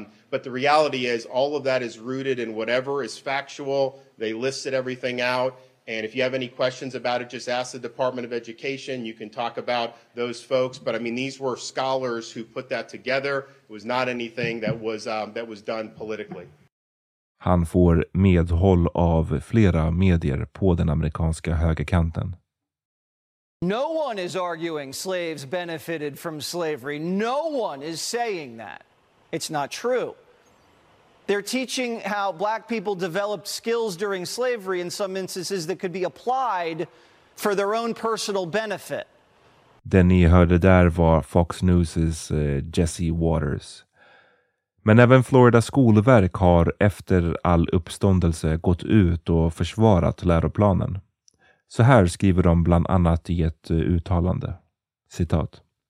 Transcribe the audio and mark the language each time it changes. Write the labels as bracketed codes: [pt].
[en] But the reality is all of that is rooted in whatever is factual. They listed everything out. And if you have any questions about it, just ask the Department of Education. You can talk about those folks. But I mean, these were scholars who put that together. It was not anything that was done politically. [sv] Han får medhåll av flera medier på den amerikanska högerkanten. [en] No one is arguing slaves benefited from slavery. No one is saying that. It's not true. They're teaching how black people developed skills during slavery in some instances that could be applied for their own personal benefit. [sv] Det ni hörde där var Fox News' Jesse Waters. Men även Florida skolverk har efter all uppståndelse gått ut och försvarat läroplanen. Så här skriver de bland annat i ett uttalande. Citat.